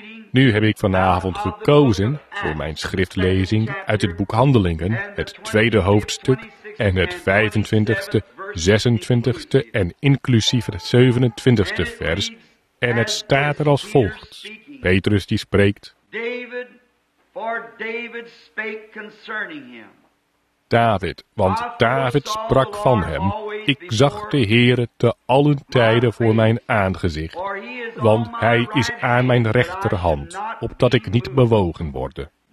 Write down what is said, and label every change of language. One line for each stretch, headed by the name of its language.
Dutch: Nu heb ik vanavond gekozen voor mijn schriftlezing uit het boek Handelingen, het tweede hoofdstuk, en het 25e, 26e en inclusief het 27e vers, en het staat er als volgt. Petrus die spreekt.
English: David, for David spake concerning him.
Dutch: David, want David sprak van hem: Ik zag de Heere te allen tijden voor mijn aangezicht, want hij is aan mijn rechterhand, opdat ik niet bewogen worde.